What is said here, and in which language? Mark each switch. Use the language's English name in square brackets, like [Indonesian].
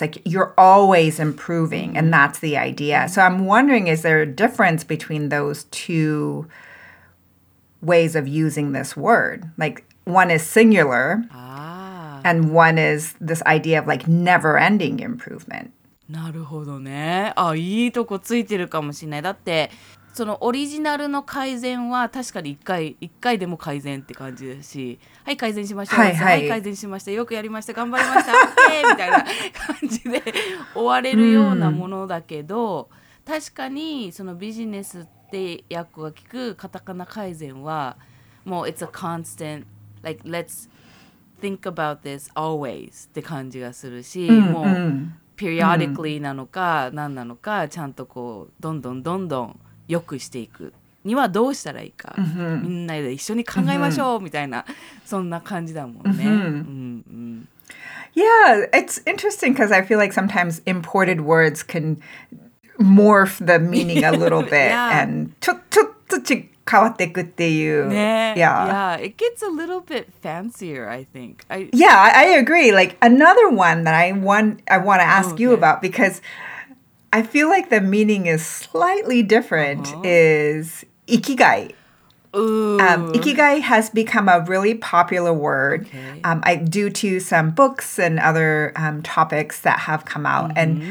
[English] Like, you're always improving, and that's the idea. So I'm wondering, is there a difference between those two ways of using this word? Like, one is singular, and one is this idea of, like, never-ending improvement. [Japanese] なるほどね。あ、いいとこついてるかもしれない。だって、そのオリジナルの改善は確かに1回でも改善って感じだし、はい改善しました、はいはい、はい改善しました、よくやりました、頑張りました、みたいな感じで終われるようなものだけど、うん、確かにそのビジネスって訳が聞くカタカナ改善はもう [English] It's a constant, like let's think about this always [Japanese] って感じがするし、うんうん、もう periodically なのか何なのか、ちゃんとこうどんどんどんどん良くしていくにはどうしたらいいか、 mm-hmm. みんなで一緒に考えましょう、mm-hmm. みたいな、そんな感じだもんね、 mm-hmm. mm-hmm. [English] Yeah, it's interesting because I feel like sometimes imported words can morph the meaning a little bit 、 yeah. [Japanese] and ちょっと変わっていくっていう、ね、 [English] yeah. It gets a little bit fancier, I think. I agree. Like another one that I want to ask you about, because I feel like the meaning is slightly different, is ikigai. Ikigai has become a really popular word due to some books and other topics that have come out. Mm-hmm.